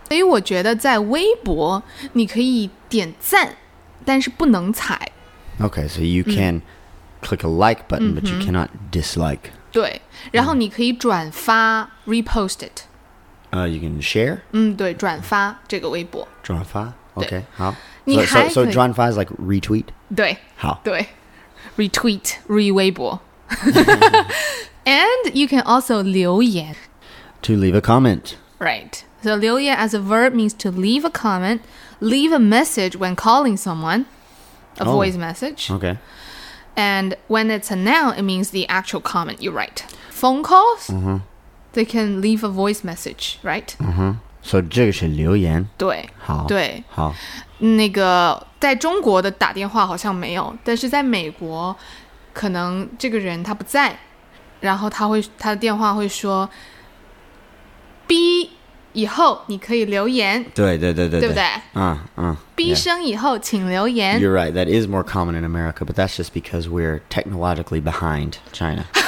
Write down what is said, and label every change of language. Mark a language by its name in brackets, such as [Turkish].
[Chinese] 所以我觉得在微博你可以点赞，但是不能踩。 [English] Okay, so you can click a like button, but you cannot dislike. [Chinese] 对，然后你可以转发 [English] repost it. You can share? [Chinese] 对，转发这个微博。 [English] 转发 ,okay, 好。So 转发 is like retweet? [Chinese] 对。好。 [English] 对。Retweet, re-微博。And you can also 留言。 To leave a comment. Right. So, 留言 as a verb means to leave a comment, leave a message when calling someone, a voice message. Okay. And when it's a noun, it means the actual comment you write. Phone calls, they can leave a voice message, right? [Chinese] Mm-hmm. So, 这个是留言。对。好。对。好。那个在中国的打电话好像没有，但是在美国，可能这个人他不在，然后他的电话会说 ，B 以后你可以留言。对对对对，对不对？嗯嗯。 B 声以后请留言。 [English] You're right. That is more common in America, but that's just because we're technologically behind China.